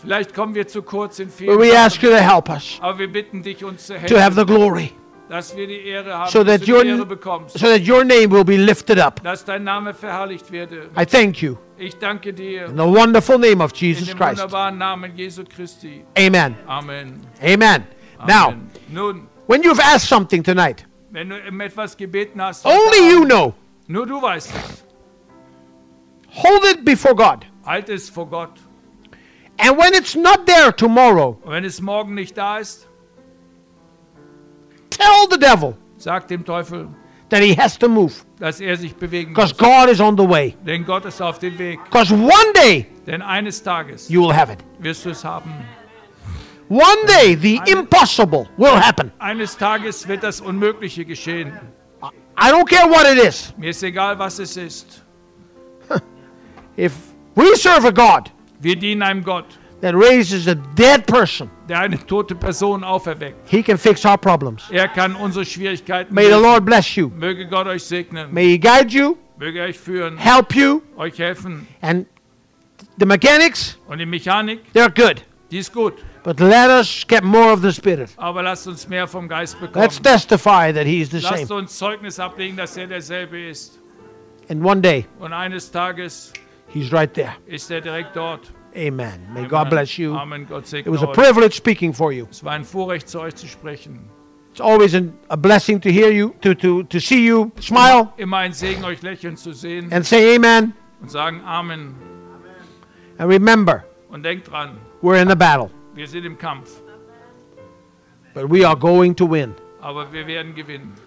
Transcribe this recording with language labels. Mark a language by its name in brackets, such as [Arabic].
[German] Vielleicht kommen wir zu kurz in vielen. [English] But we ask you to help us. [German] Aber wir bitten dich, uns zu helfen. [English] To have the glory. [German] Dass wir die Ehre haben, [English] so that your, [German] Ehre bekommst. [English] So that your name will be lifted up. [German] Dass dein Name verherrlicht werde. [English] I thank you. [German] Ich danke dir. [English] In the wonderful name of Jesus Christ. [German] In dem wunderbaren Namen Jesu Christi. [English] Amen. [German] Amen. [English] Amen. Now, [German] nun, [English] when you've asked something tonight, [German] wenn du etwas gebeten hast, [English] only you know. [German] Nur du weißt es. [English] Hold it before God. [German] Halt es vor Gott. [English] And when it's not there tomorrow, [German] wenn es morgen nicht da ist, [English] tell the devil, [German] sag dem Teufel, [English] that he has to move, [German] dass er sich bewegen muss. [English] God is on the way. [German] Denn Gott ist auf dem Weg. [English] Because one day, [German] denn eines Tages, [English] you will have it. [German] Wirst du es haben. [English] One day, the impossible will happen. [German] Eines Tages wird das Unmögliche geschehen. [English] I don't care what it is. [German] Mir ist egal, was es ist. [English] If we serve a God, [German] wir dienen einem Gott, [English] that raises a dead person, [German] der eine tote Person auferweckt. [English] He can fix our problems. [German] Er kann unsere Schwierigkeiten lösen. [English] May the Lord bless you. [German] Möge Gott euch segnen. [English] May he guide you. [German] Möge euch führen. [English] Help you. [German] Euch helfen. [English] And the mechanics. [German] Und die Mechanik. [English] They're good. [German] Die ist gut. [English] But let us get more of the Spirit. [German] Aber lasst uns mehr vom Geist bekommen. [English] Let's testify that he is the same. [German] Lasst uns Zeugnis ablegen, dass er derselbe ist. [English] And one day. [German] Und eines Tages. [English] He's right there. [German] Ist er direkt dort. [English] Amen. May Amen. God bless you. [German] Amen. Gott segne [English] it was a privilege [German] euch. [English] Speaking for you. [German] Es war ein Vorrecht, zu euch zu sprechen. [English] It's always a blessing to hear you, to see you smile. [German] Immer ein Segen, euch lächeln zu sehen. [English] And say Amen. [German] Und sagen Amen. [English] And remember. [German] Und denkt dran. [English] We're in the battle. [German] Wir sind im Kampf. [English] But we are going to win. [German] Aber wir werden gewinnen.